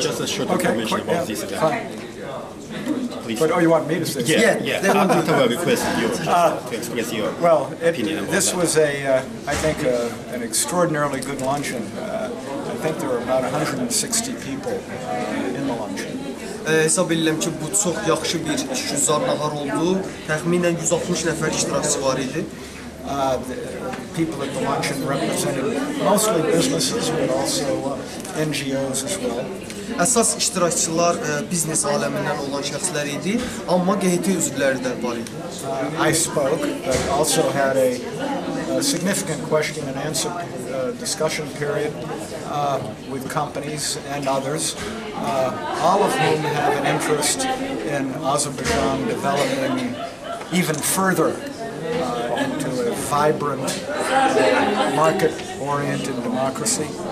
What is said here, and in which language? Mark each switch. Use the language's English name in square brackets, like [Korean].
[English] just a short information about this guy. Please. But oh, you want me to say? Yeah, yeah. I'm going to have a request to you to express your well, it, opinion. Well, this that. Was a, I think, an extraordinarily good luncheon. I think there were about 160 people in the luncheon. [Azerbaijani] Hesab edirəm ki, bu çox yaxşı bir işgüzar nahar oldu. Təxminən 160 nəfər iştirakçı var idi. [English] People at the luncheon represented mostly businesses, but also NGOs as well. [Azerbaijani] Əsas iştirakçılar biznes aləmindən olan şəxslər idi, amma QHT üzvləri də var idi. [English] I spoke, but also had a significant question and answer discussion period with companies and others, all of whom have an interest in Azerbaijan developing even further into a vibrant, market-oriented democracy.